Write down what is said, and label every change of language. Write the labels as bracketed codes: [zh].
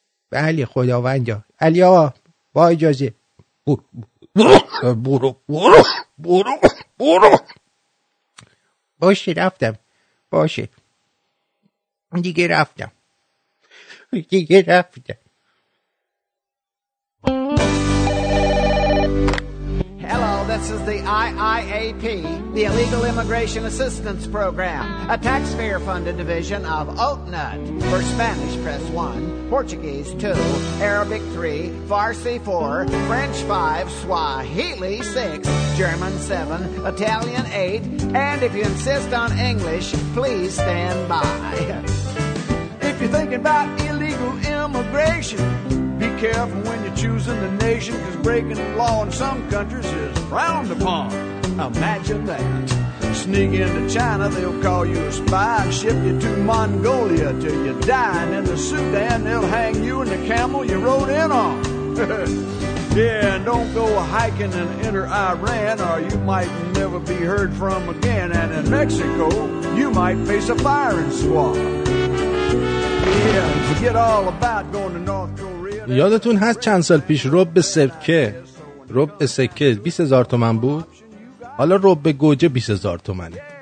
[fa] بله خداوند. علی آقا با اجازه، برو. باشه رفتم، باشه دیگه رفتم، دیگه رفتم. [en] This is the IIAP, the Illegal Immigration Assistance Program, a taxpayer-funded division of OATNUT. For Spanish, press 1, Portuguese 2, Arabic 3, Farsi 4, French 5, Swahili 6, German 7, Italian 8, and if you insist on English, please stand by. If you're thinking about illegal immigration, be careful when you're choosing the nation, 'cause breaking the law in some countries is frowned upon. Imagine that. Sneak into China, they'll call you a spy, ship you to Mongolia till you die, and in the Sudan they'll hang you and the camel you rode in on. Yeah, and don't go hiking and enter Iran, or you might never be heard from again. And in Mexico, you might face a firing squad. Yeah, and forget all about going to North Korea. [fa] یادتون هست چند سال پیش رب سکه، رب سکه 20,000 تومن بود، حالا رب گوجه 20,000 تومنه.